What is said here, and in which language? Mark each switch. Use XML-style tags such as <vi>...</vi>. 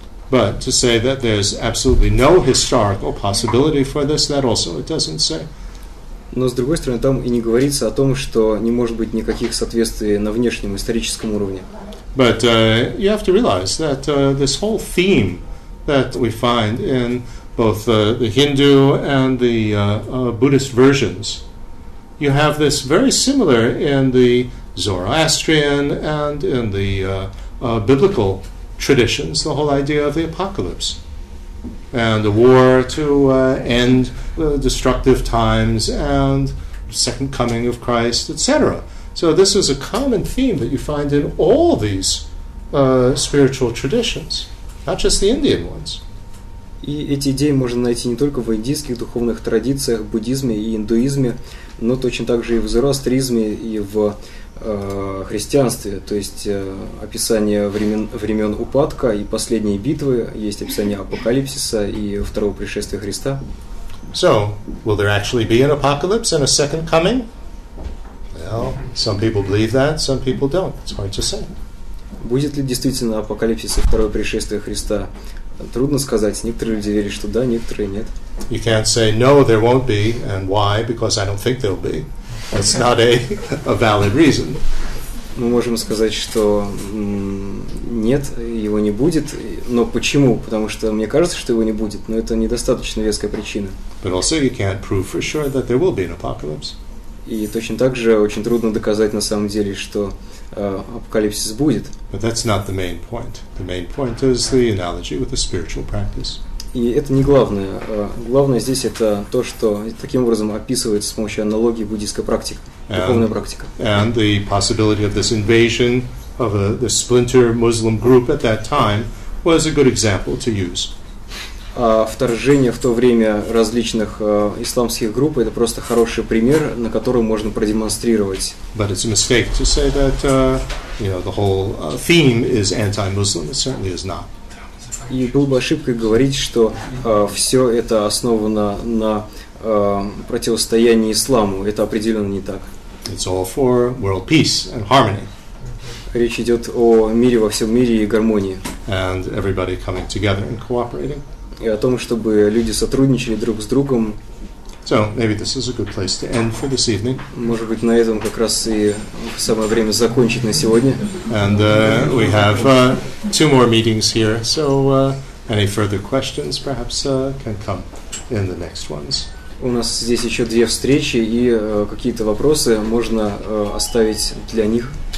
<en>But to say that there's absolutely no historical possibility for this, that also it doesn't say.</en> <ru>Но, с другой стороны, там и не говорится о том, что не может быть никаких соответствий на внешнем историческом уровне.</ru> <en>But you have to realize that this whole theme that we find in both the Hindu and the Buddhist versions, you have this very similar in the Zoroastrian and in the biblical traditions, the whole idea of the apocalypse and the war to end the destructive times and second coming of Christ, etc. So this is a common theme that you find in all these spiritual traditions, not just the Indian ones.</en> <ru>И эти идеи можно найти не только в индийских духовных традициях, буддизме и индуизме, но точно так же и в зороастризме, и в христианстве. То есть описание времен упадка и последней битвы, есть описание апокалипсиса и второго пришествия Христа.</ru> <en>So, will there actually be an apocalypse and a second coming? Well, some people believe that, some people don't. It's hard to say.</en> <ru>Будет ли действительно апокалипсис и второе пришествие Христа? Трудно сказать. Некоторые люди верят, что да, некоторые нет.</ru> <en>You can't say no, there won't be, and why? Because I don't think there'll be. That's not a valid reason.</en> <ru>мы можем сказать, что нет, его не будет. Но почему? Потому что мне кажется, что его не будет, но это недостаточно веская причина.</ru> <en>But also you can't prove for sure that there will be an apocalypse.</en> <ru>И точно так же очень трудно доказать на самом деле, что апокалипсис будет.</ru> <en>But that's not the main point. The main point is the analogy with the spiritual practice.</en> <ru>И это не главное. Главное здесь это то, что таким образом описывается с помощью аналогии буддийская практика, духовная практика.</ru> <en>And the possibility of this invasion of the splinter Muslim group at that time was a good example to use.</en> <ru>Вторжение в то время различных исламских групп — это просто хороший пример, на котором можно продемонстрировать.</ru> <en>But it's a mistake to say that the whole theme is anti-Muslim. It certainly is not.</en> <ru>И было бы ошибкой говорить, что все это основано на противостоянии исламу. Это определенно не так.</ru> <en>It's all for world peace and harmony.</en> <ru>Речь идет о мире во всем мире и гармонии.</ru> <en>And everybody coming together and cooperating.</en> <ru>И о том, чтобы люди сотрудничали друг с другом.</ru> <en>So, maybe this is a good place to end for this evening.</en> <ru>Может быть, на этом как раз и самое время закончить на сегодня.</ru> <en>And we have two more meetings here, so any further questions perhaps can come in the next ones.</en> <ru>У нас здесь еще две встречи, и какие-то вопросы можно оставить для них.</ru>